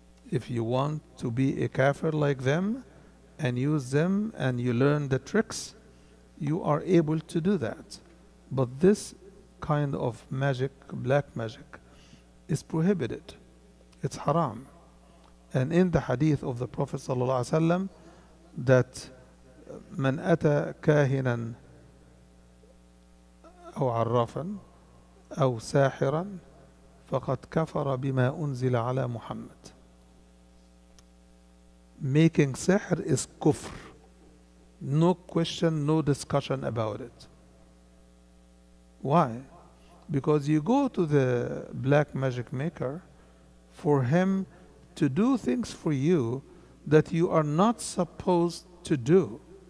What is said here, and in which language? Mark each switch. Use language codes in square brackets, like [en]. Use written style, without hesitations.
[en] If you want to be a kafir like them and use them and you learn the tricks, you are able to do that. But this kind of magic, black magic, is prohibited. It's haram. And in the hadith of the Prophet ﷺ, that [ar] من أتى كاهنا أو عرافا أو ساحرا فقد كفر بما أنزل على محمد. [en] Making sihr is kufr. No question, no discussion about it. Why? Because you go to the black magic maker for him to do things for you that you are not supposed to do.